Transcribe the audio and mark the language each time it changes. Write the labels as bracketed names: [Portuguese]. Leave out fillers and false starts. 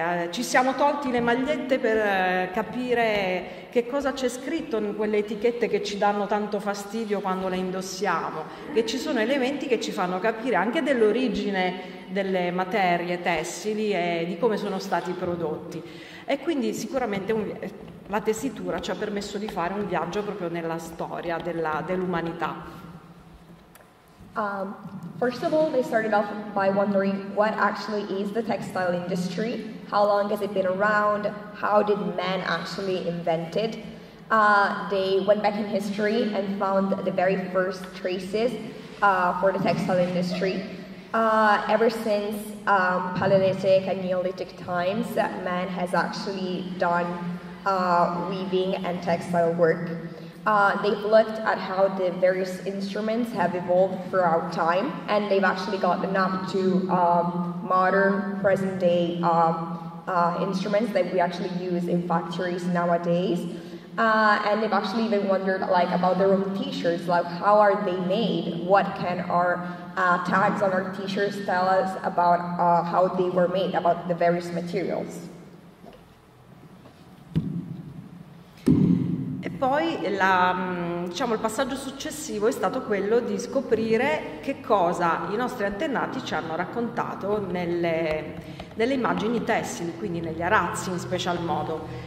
[Italian] Ci siamo tolti le magliette per capire che cosa c'è scritto in quelle etichette che ci danno tanto fastidio quando le indossiamo, che ci sono elementi che ci fanno capire anche dell'origine delle materie tessili e di come sono stati prodotti. E quindi sicuramente la tessitura ci ha permesso di fare un viaggio proprio nella storia dell'umanità. [English] First of all, they started off by wondering what actually is the textile industry, how long has it been around, how did men actually invent it. They went back in history and found the very first traces for the textile industry. Ever since Paleolithic and Neolithic times, man has actually done weaving and textile work. They've looked at how the various instruments have evolved throughout time, and they've actually gotten up to modern, present-day instruments that we actually use in factories nowadays. And they've actually even wondered like about their own t-shirts, like how are they made? What can our tags on our t-shirts tell us about how they were made, about the various materials? [Italian] Poi diciamo, il passaggio successivo è stato quello di scoprire che cosa i nostri antenati ci hanno raccontato nelle immagini tessili, quindi negli arazzi in special modo.